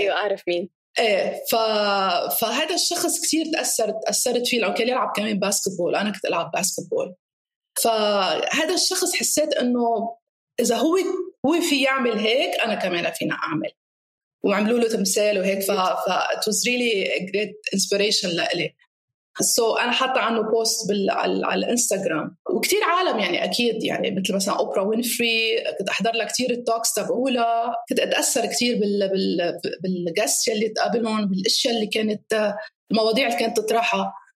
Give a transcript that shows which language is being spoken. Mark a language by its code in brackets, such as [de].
[ar] أيوة أعرف مين. إيه فهذا الشخص كتير تأثرت فيه، لأنه كان يلعب كمان باسكتبول، أنا كنت ألعب باسكتبول. فهذا الشخص حسيت أنه إذا هو في يعمل هيك أنا كمان فينا أعمل، وعملوا له تمثال وهيك. [en] It was really a great inspiration [ar] لألي. So أنا حاطة عنه بوست على الإنستغرام، وكتير عالم يعني أكيد، يعني مثل مثلا أوبرا وينفري كنت أحضر لها كتير التوكس تبعولا، كنت أتأثر كتير بالجاست اللي تقابلهم، بالإشياء اللي كانت المواضيع اللي كانت تطرحها.